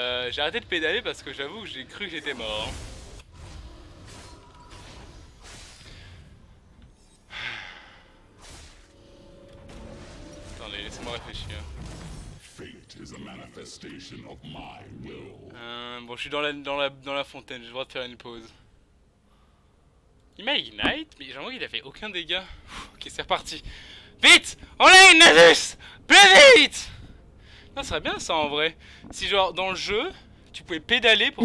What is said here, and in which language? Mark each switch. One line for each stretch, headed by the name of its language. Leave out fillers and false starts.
French: J'ai arrêté de pédaler parce que j'avoue que j'ai cru que j'étais mort. Attendez, laissez-moi réfléchir.
English: Fate is a manifestation of my will.
French: Bon, je suis dans la fontaine, j'ai le droit de faire une pause. Il m'a ignite, mais j'ai l'impression qu'il a fait aucun dégât. Ok, c'est reparti. Vite! En ligne, Nasus! Plus vite! Non, ça serait bien ça en vrai. Si genre dans le jeu, tu pouvais pédaler pour